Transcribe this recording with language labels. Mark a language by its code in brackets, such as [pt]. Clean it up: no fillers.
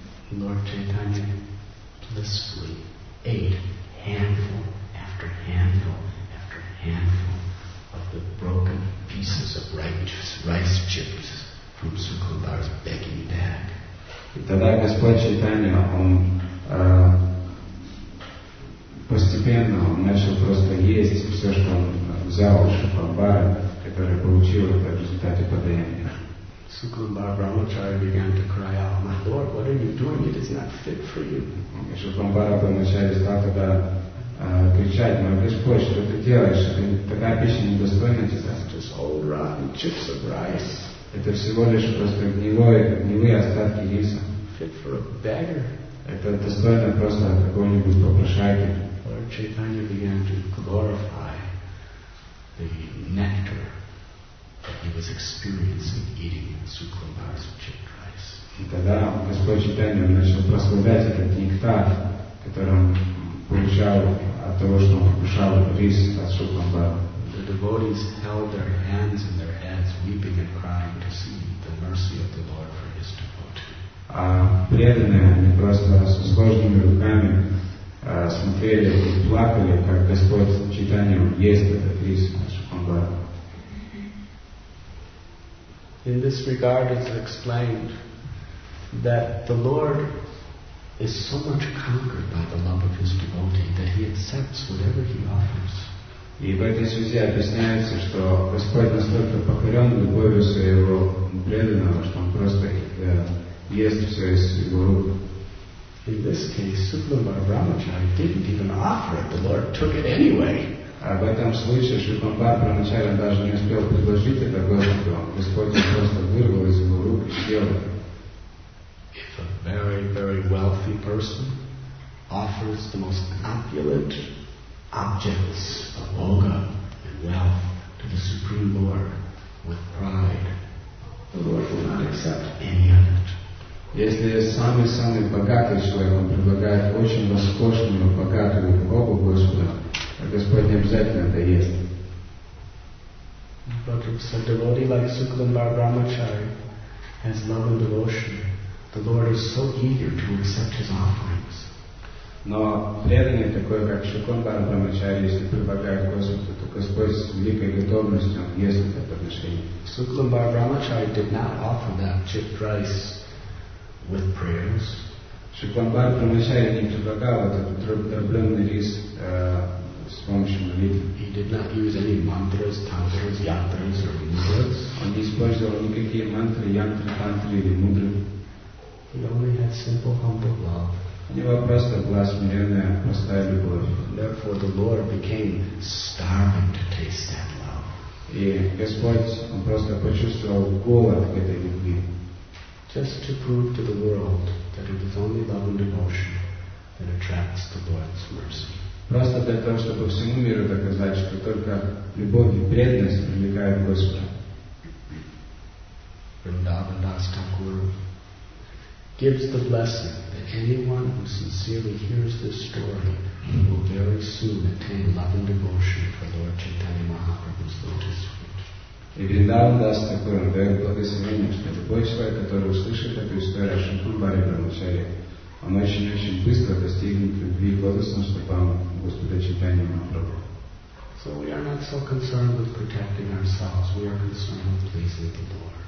[en] Lord Chaitanya blissfully ate handful after handful after handful of the broken pieces of rice chips from Sukumbhar's begging bag. [ru] И тогда Господь Чайтанья, он постепенно он начал просто есть все, что он взял у Шукумбара, который получил это в результате подаяния. [en] Sukalambar Brahmachari began to cry out, "My Lord, what are you doing? It is not fit for you." Sukalambar Brahmachari started to [ru] кричать, [en] "My [ru] Господь, что ты делаешь? Это такая пища недостойна тебя." [en] Just old rotten chips of rice. [ru] Это всего лишь просто гнилые остатки риса. [en] Fit for a beggar. [ru] Это достойно просто какого-нибудь попрошайки. [en] Lord Chaitanya began to glorify the nectar that he was experiencing eating Sukalambar's chip rice. [ru] И тогда Господь Чайтанья начал прославлять этот нектар, который он получал от того, что он покушал рис от Сукалбара. [en] The devotees held their hands in their heads, weeping and crying to see the mercy of the Lord for his devotee. [ru] А преданные, они просто с сложными руками смотрели и плакали, как Господь Чайтанья ест этот рис от Сукалбара. [en] In this regard, it's explained that the Lord is so much conquered by the love of his devotee that he accepts whatever he offers. [ru] И в этой связи объясняется, что Господь настолько покорен любовью своего преданного, что он просто ест все из его рук. [en] In this case, Sukalambar Brahmachari didn't even offer it. The Lord took it anyway. [ru] Об этом случае Шукламбар Брамачари даже не успел предложить это Господу. Господь просто вырвал из его рук и съел это. [en] If a very, very wealthy person offers the most opulent objects of bhoga and wealth to the Supreme Lord with pride, the Lord will not accept any of it. [ru] Если самый-самый богатый человек, он предлагает очень роскошную, богатую богу Господа, а Господь не обязательно это ест. [en] But if a devotee like Sukalambar Brahmachari has love and devotion, the Lord is so eager to accept his offerings. [ru] Но преданный такой, как Шикандара Брамачари, если прибегает к Господу, то Господь с великой готовностью есть это подношение. [en] Шукламбара Брамачари did not offer that cheap price with prayers. [ru] Шукламбара Брамачари не предлагал этот дробленный рис с помощью молитвы. [en] He did not use any mantras, tantras, yantras or mudras. [ru] Он не использовал никакие мантры, янтры, тантры или мудры. [en] He only had simple, humble love. [ru] У него просто была смиренная, простая любовь. [en] Therefore, the Lord became starving to taste that love. [ru] И Господь, Он просто почувствовал голод к этой любви. [en] Just to prove to the world that it is only love and devotion that attracts the Lord's mercy. [ru] Просто для того, чтобы всему миру доказать, что только любовь и преданность привлекают Господа. [en] Vrindavan Das Thakur gives the blessing that anyone who sincerely hears this story will very soon attain love and devotion for Lord Chaitanya Mahaprabhu's lotus feet. [ru] И Vrindavan Das Thakur дает благословение, что любой человек, который услышит эту историю о Шукламбаре Брамачари, он очень-очень быстро достигнет любви к лотосным стопам Господа Чайтанья Махапрабху. [en] So we are not so concerned with protecting ourselves, we are concerned with pleasing the Lord.